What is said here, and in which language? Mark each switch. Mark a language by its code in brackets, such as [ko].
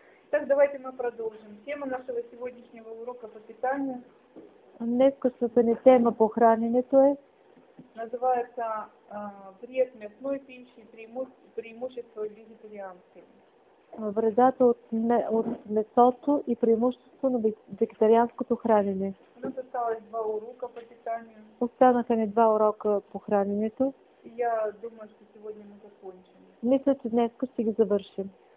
[ru] Так, давайте мы продолжим. Тема нашего сегодняшнего урока по питанию. Несколько [bg] не тема по храненето е. [ru] Называется вред мясной пищи, преимущество вегетарианской. [bg] Вредата от месото и преимущество на вегетарианското хранене. [ru] У нас осталось два урока по питанию. [bg] Останаха ни два урока по храненето. [ru] Я думаю, что сегодня мы закончим. [bg] Мисля, че днес ще ги завършим.